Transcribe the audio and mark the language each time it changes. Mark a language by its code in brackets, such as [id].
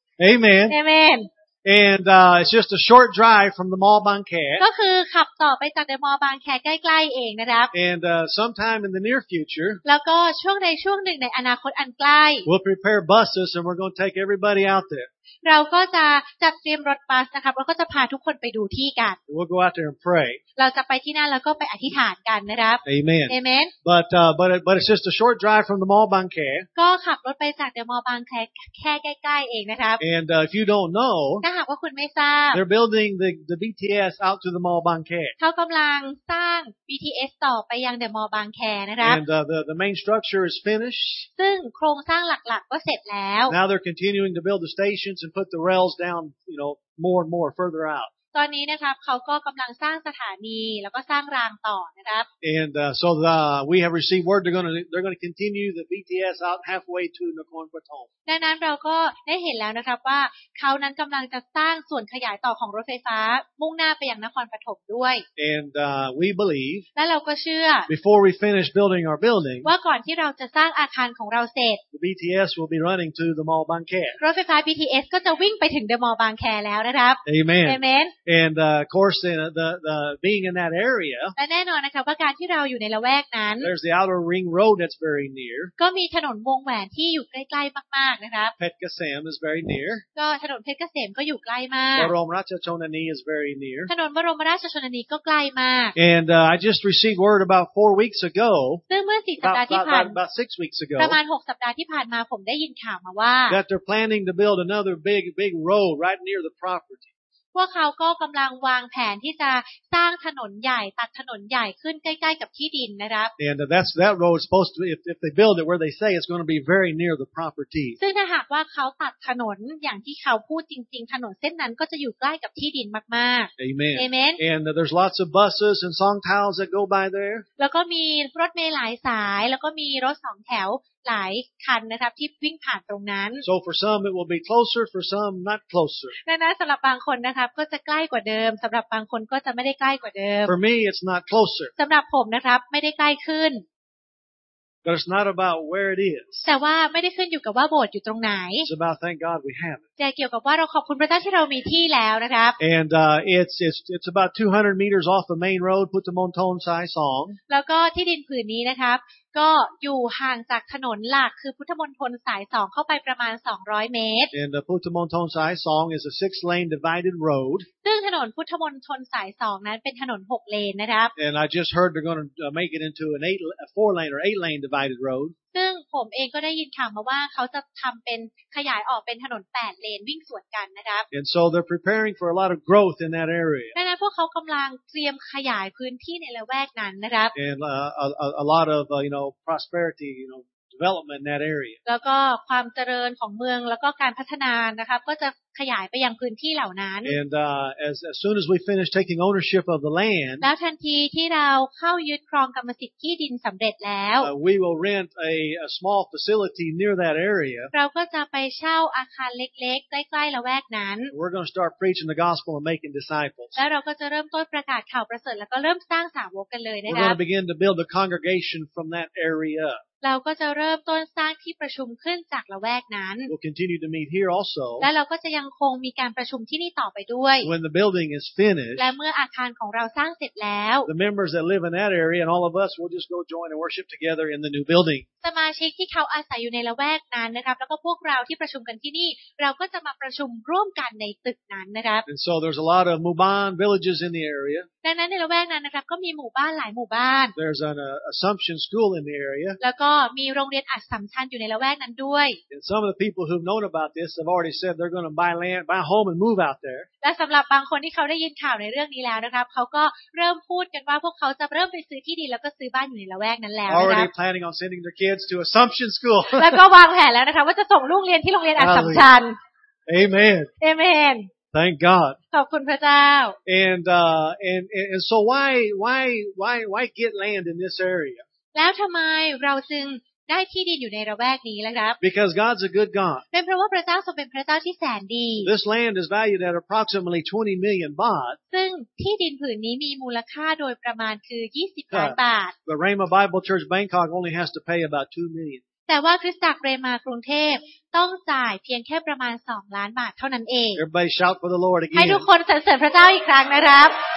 [en] Amen. Amen. And it's just a short drive from the mall Bangkhae. [th] ก็คือขับต่อไปจากเดอะมอลล์บางแคใกล้ๆเองนะครับ [en] And sometime in the near future. [th] แล้วก็ช่วงในช่วงหนึ่งในอนาคตอันใกล้ [en] We'll prepare buses and we're going to take everybody out there. [th] เราก็จะจัดเตรียมรถบัสนะครับแล้วก็จะพาทุกคนไปดูที่กัน [en] We'll go out there and pray. [th] เราจะไปที่นั่นแล้วก็ไปอธิษฐานกันนะครับ [en] Amen. Amen. But it's just a short drive from the Mall Bangkhae. [th] ก็ขับรถไปจากเดอะมอลล์บางแคแค่ใกล้ๆเองนะครับ [en] And if you don't know, [th] ถ้าหากว่าคุณไม่ทราบ [en] They're building the BTS out to the Mall Bangkhae. [th] เขากำลังสร้าง BTS ต่อไปยังเดอะมอลล์บางแคนะครับ [en] And the main structure is finished. [th] ซึ่งโครงสร้างหลักๆก็เสร็จแล้ว [en] Now they're continuing to build the stationand put the rails down you know more and more further out [th] ตอนนี้นะครับเขาก็กําลังสร้างสถานีแล้วก็สร้างรางต่อนะครับ [en] and so the we have received word they're going to continue the BTS out halfway to Nakhon Pathom [th] ดังนั้นเราก็ได้เห็นแล้วนะครับว่าเขานั้นกําลังจะสร้างส่วนขยายต่อของรถไฟฟ้ามุ่งหน้าไปยังนครปฐมด้วย [en] and we believe [th] และเราก็เชื่อ [en] before we finish building our building [th] ว่าก่อนที่เราจะสร้างอาคารของเราเสร็จ [en] the BTS will be running to the Mall Bangkhae [th] รถไฟฟ้า BTS ก็จะวิ่งไปถึงเดอะมอลล์บางแคแล้วนะครับ [en] amen amen And of course, the being in that area. [th] และแน่นอนนะครับว่าการที่เราอยู่ในละแวกนั้น [en] There's the outer ring road that's very near. [th] ก็มีถนนวงแหวนที่อยู่ใกล้ๆมากๆนะครับ [en] Petkasem is very near. [th] ก็ถนนเพชรเกษมก็อยู่ใกล้มาก [en] บรมราชชนนี is very near. [th] ถนนบรมราชชนนีก็ใกล้มาก [en] And I just received word about 4 weeks ago. [th] ซึ่งเมื่อ4สัปดาห์ที่ผ่าน [en] About 6 weeks ago. [th] ประมาณ6สัปดาห์ที่ผ่านมาผมได้ยินข่าวมาว่า [en] That they're planning to build another big road right near the property [th] พวกเขาก็กำลังวางแผนที่จะสร้างถนนใหญ่ตัดถนนใหญ่ขึ้นใกล้ๆกับที่ดินนะครับ [en] And that road is supposed to if they build it where they say it's going to be very near the property [th] ซึ่งถ้าหากว่าเขาตัดถนนอย่างที่เขาพูดจริงๆถนนเส้นนั้นก็จะอยู่ใกล้กับที่ดินมากๆ [en] Amen Amen And there's lots of buses and songtaos that go by there [th] แล้วก็มีรถเมล์หลายสายแล้วก็มีรถ2แถวหลายคันนะครับที่วิ่งผ่านตรงนั้น [en] So for some it will be closer for some not closer [th] แน่ๆสำหรับบางคนนะครับก็จะใกล้กว่าเดิมสำหรับบางคนก็จะไม่ได้ใกล้กว่าเดิม [en] For me it's not closer [th] สำหรับผมนะครับไม่ได้ใกล้ขึ้น [en] But it's not about where it is. [th] แต่ว่าไม่ได้ขึ้นอยู่กับว่าโบสถ์อยู่ตรงไหน [en] It's about thank God we have it. [th] แต่เกี่ยวกับว่าเราขอบคุณพระเจ้าที่เรามีที่แล้วนะครับ [en] And it's about 200 meters off the main road put the Montone size 2 [th] แล้วก็ที่ดินผืนนี้นะครับก็อยู่ห่างจากถนนหลักคือพุทธมณฑลสาย2เข้าไปประมาณ200เมตร [en] And the Puthu Monthon Sai Song is a 6 lane divided road [th] ซึ่งถนนพุทธมณฑลสาย2นั้นเป็นถนน6เลนนะครับ [en] And I just heard they're going to make it into an 4 lane or 8 lane divided road [th] ซึ่งผมเองก็ได้ยินข่าวมาว่าเขาจะทำเป็นขยายออกเป็นถนน8เลนวิ่งสวนกันนะครับ [en] And so they're preparing for a lot of growth in that area [th] ดังนั้นพวกเขากำลังเตรียมขยายพื้นที่ในละแวกนั้นนะครับ [en] And a lot of you knowprosperity you know development in that area [th] แล้วก็ความเจริญของเมืองแล้วก็การพัฒนานะครับก็จะขยายไปยังพื้นที่เหล่านั้น [en] and as soon as we finish taking ownership of the land [th] แล้วทันทีที่เราเข้ายึดครองกรรมสิทธิ์ที่ดินสําเร็จแล้ว [en] we will rent a small facility near that area [th] เราก็จะไปเช่าอาคารเล็กๆใกล้ๆละแวกนั้น [en] we're going to start preaching the gospel and making disciples [th] แล้วเราก็จะเริ่มต้นประกาศข่าวประเสริฐแล้วก็เริ่มสร้างสาวกกันเลยนะครับ [en] we're going to begin to build a congregation from that area [th] เราก็จะเริ่มต้นสร้างที่ประชุมขึ้นจากละแวกนั้น [en] We'll continue to meet here also. [th] และเราก็จะยังคงมีการประชุมที่นี่ต่อไปด้วย [en] When the building is finished. [th] และเมื่ออาคารของเราสร้างเสร็จแล้ว [en] The members that live in that area and all of us will just go join and worship together in the new building. [th] สมาชิกที่เขาอาศัยอยู่ในละแวกนั้นนะครับแล้วก็พวกเราที่ประชุมกันที่นี่เราก็จะมาประชุมร่วมกันในตึกนั้นนะครับ [en] And so there's a lot of Muban villages in the area. [th] ดังนั้นในละแวกนั้นนะครับก็มีหมู่บ้านหลายหมู่บ้าน [en] There's an Assumption school in the area. [th] แล้วก็มีโรงเรียนอัสสัมชัญอยู่ในละแวกนั้นด้วย [en] And some of the people who've known about this have already said they're going to buy land, buy a home and move out there. [th] และสำหรับบางคนที่เขาได้ยินข่าวในเรื่องนี้แล้วนะครับเขาก็เริ่มพูดกันว่าพวกเขาจะเริ่มไปซื้อที่ดินแล้วก็ซื้อบ้านอยู่ในละแวกนั้นแล้วนะครับ [en] Already planning on sending their kids to Assumption School. [th] แล้วก็วางแผนแล้วนะคะว่าจะส่งลูกเรียนที่โรงเรียนอัสสัมชัญ [en] Amen. Amen. Thank God. [th] ขอบคุณพระเจ้า [en] And so why get land in this area? [th] แล้วทำไมเราจึงได้ที่ดินอยู่ในละแวกนี้ล่ะครับ [en] Because God's a good God. [th] เป็นเพราะว่าพระเจ้าทรงเป็นพระเจ้าที่แสนดี [en] This land is valued at approximately 20 million baht. [th] ซึ่งที่ดินผืนนี้มีมูลค่าโดยประมาณคือ20ล้านบาท [en] The Rhema Bible Church Bangkok only has to pay about 2 million. [th] แต่ว่าคริสตจักรเรมากรุงเทพต้องจ่ายเพียงแค่ประมาณ2ล้านบาทเท่านั้นเอง [en] Everybody shout for the Lord again. [th] ให้ทุกคนสรรเสริญพระเจ้าอีกครั้งนะครับ